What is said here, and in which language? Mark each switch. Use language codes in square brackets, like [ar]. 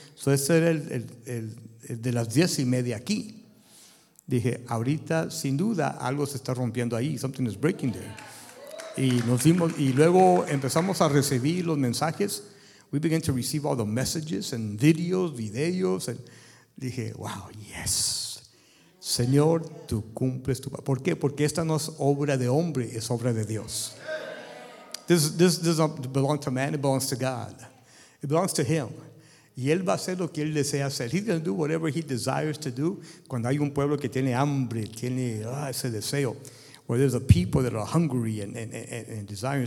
[es] So ese era el de las 10 y media aquí. Dije, ahorita, sin duda, algo se está rompiendo ahí. [en] Something is breaking there. [es] Y nos dimos, y luego empezamos a recibir los mensajes. [en] We began to receive all the messages and videos. [es] And dije, wow, yes. Señor, tú cumples tu... ¿Por qué? Porque esta no es obra de hombre, es obra de Dios. [en] This doesn't belong to man, it belongs to God. It belongs to Him. [es] Y Él va a hacer lo que Él desea hacer. [en] He's going to do whatever He desires to do. [es] Cuando hay un pueblo que tiene hambre, tiene ese deseo. [en] Where there's a people that are hungry and desiring.